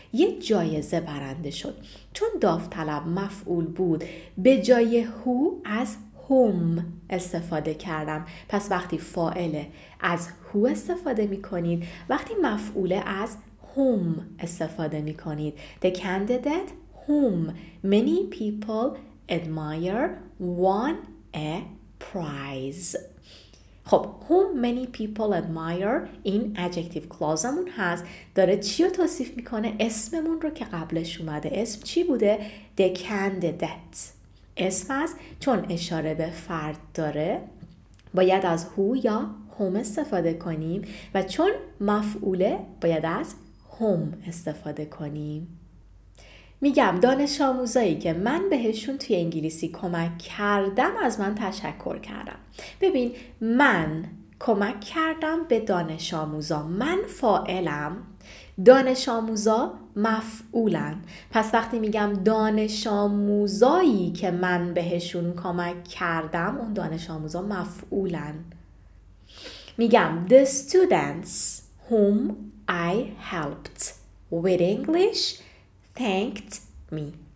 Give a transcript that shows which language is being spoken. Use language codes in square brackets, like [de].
[fa] یه جایزه برنده شد. چون داوطلب مفعول بود به جای who از whom استفاده کردم. پس وقتی فاعل از who استفاده میکنید، وقتی مفعول از whom استفاده می کنید. [en] The candidate whom many people admire won a prize. [fa] خب [en] whom many people admire [fa] این adjective clause‌مون هست، داره چی رو توصیف میکنه؟ اسممون رو که قبلش اومده، اسم چی بوده؟ [en] the candidate. [fa] اسم هست چون اشاره به فرد داره، باید از who یا whom استفاده کنیم و چون مفعوله باید از whom استفاده کنیم. میگم دانش آموزایی که من بهشون توی انگلیسی کمک کردم از من تشکر کردم. ببین من کمک کردم به دانش آموزا، من فاعلم، دانش آموزا مفعولن. پس وقتی میگم دانش آموزایی که من بهشون کمک کردم، اون دانش آموزا مفعولن. میگم [en] the students whom I helped with English thanked me.